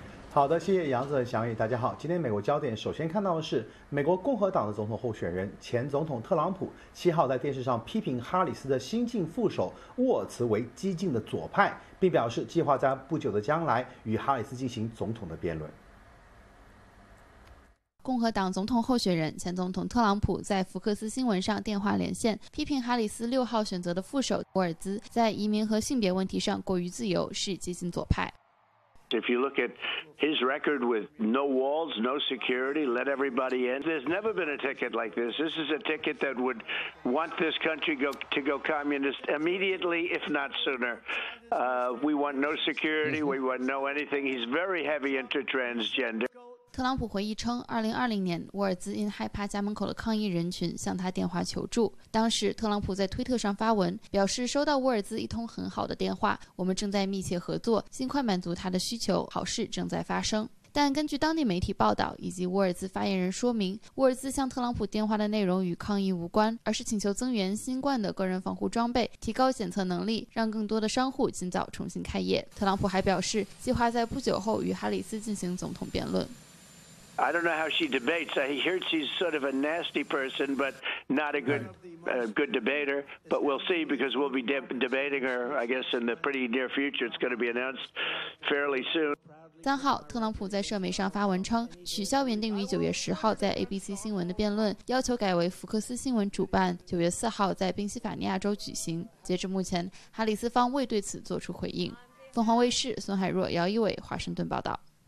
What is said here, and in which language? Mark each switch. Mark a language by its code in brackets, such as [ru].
[zh] 好的，谢谢杨子和翔宇，大家好。今天美国焦点首先看到的是美国共和党的总统候选人前总统特朗普7号在电视上批评哈里斯的新晋副手沃尔茨为激进的左派，并表示计划在不久的将来与哈里斯进行总统的辩论。共和党总统候选人前总统特朗普在福克斯新闻上电话连线，批评哈里斯6号选择的副手沃尔兹在移民和性别问题上过于自由，是激进左派。 [en] If you look at his record with no walls, no security, let everybody in, there's never been a ticket like this. This is a ticket that would want this country to go communist immediately, if not sooner. We want no security, we want no anything. He's very heavy into transgender. [zh] 特朗普回忆称，2020年，沃尔兹因害怕家门口的抗议人群向他电话求助。当时，特朗普在推特上发文，表示收到沃尔兹一通很好的电话，我们正在密切合作，尽快满足他的需求，好事正在发生。但根据当地媒体报道以及沃尔兹发言人说明，沃尔兹向特朗普电话的内容与抗议无关，而是请求增援新冠的个人防护装备，提高检测能力，让更多的商户尽早重新开业。特朗普还表示，计划在不久后与哈里斯进行总统辩论。 [en] I don't know how she debates. I hear she's sort of a nasty person, but not a good debater. But we'll see, because we'll be debating her, I guess, in the pretty near future. It's going to be announced fairly soon. [zh] 3号，特朗普在社媒上发文称，取消原定于9月10号在 ABC 新闻的辩论，要求改为福克斯新闻主办，9月4号在宾夕法尼亚州举行。截至目前，哈里斯方未对此做出回应。凤凰卫视孙海若、姚一伟华盛顿报道。